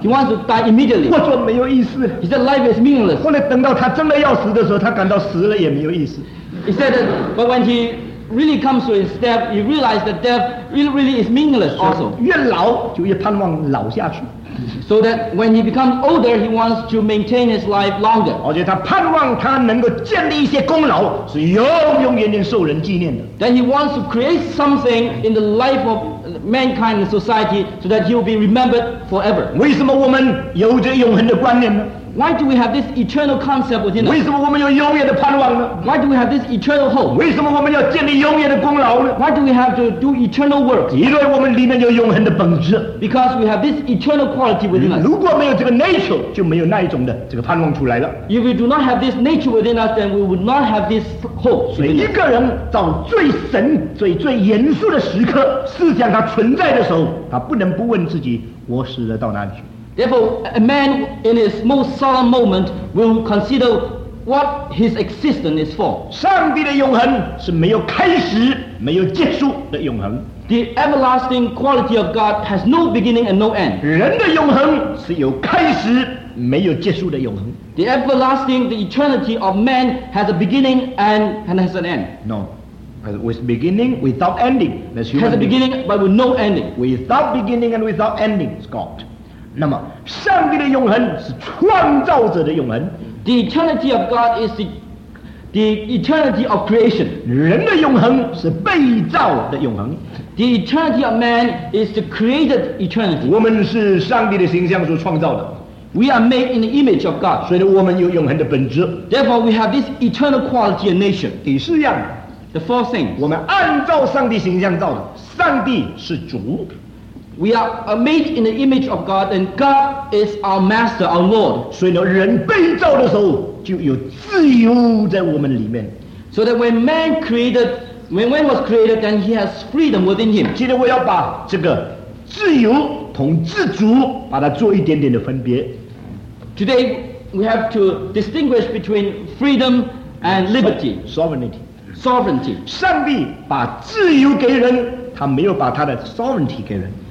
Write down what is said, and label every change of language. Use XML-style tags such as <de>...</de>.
<en>He wants to die immediately.</en> <zh>活着没有意思。</zh> <en>He said life is meaningless.</en> <zh>后来等到他真的要死的时候，他感到死了也没有意思。</zh> <en>He said, but when he really comes to his death, he realized that death really is meaningless also.</en> <zh>越老就越盼望老下去。</zh> <en>So that when he becomes older, he wants to maintain his life longer.</en> <zh>而且他盼望他能够建立一些功劳，是永永远远受人纪念的。</zh> <en>Then he wants to create something in the life of mankind and society so that he will be remembered forever.</en> <zh>为什么我们有着永恒的观念呢？</zh> <en>Why do we have this eternal concept within us?</en> <zh>为什么我们有永远的盼望呢？</zh> <en>Why do we have this eternal hope?</en> <zh>为什么我们要建立永远的功劳呢？</zh> <en>Why do we have to do eternal work?</en> <zh>因为我们里面有永恒的本质。</zh> <en>Because we have this eternal quality within us.</en> <zh>如果没有这个 nature, 就没有那一种的这个盼望出来了。</zh> <en>If we do not have this nature within us, then we would not have this hope.</en> <zh>所以一个人找最神、最最严肃的时刻，思想他存在的时候，他不能不问自己，我死了到哪里去。</zh> <en>Therefore, a man in his most solemn moment will consider what his existence is for.</en> <zh>上帝的永恒是没有开始、没有结束的永恒。</zh> <en>The everlasting quality of God has no beginning and no end.</en> <zh>人的永恒是有开始、没有结束的永恒。</zh> <en>The everlasting, the eternity of man has a beginning and has an end. No. With beginning, without ending. Has a beginning, but with no ending. Without beginning and without ending is God.</en> <zh>那么上帝的永恒是创造者的永恒。</zh> <en>The eternity of God is the eternity of creation.</en> <zh>人的永恒是被造的永恒。</zh> <en>The eternity of man is the created eternity.</en> <zh>我们是上帝的形象所创造的。</zh> <en>We are made in the image of God.</en> <zh>所以我们有永恒的本质。</zh> <en>Therefore, we have this eternal quality and nature.</en> <zh>第四样。</zh> <en>The fourth thing,</en> <zh>我们按照上帝形象造的，上帝是主。</zh> <en>We are made in the image of God, and God is our master, our Lord.</en> <zh>所以呢，人被造的时候就有自由在我们里面。</zh> <en>So that when man created, when man was created, then he has freedom within him.</en> <zh>今天我要把这个自由同自主把它做一点点的分别。</zh> <en>Today we have to distinguish between freedom and liberty, sovereignty. Sovereignty.</en> <zh>上帝把自由给人，他没有把他的 sovereignty 给人。</zh>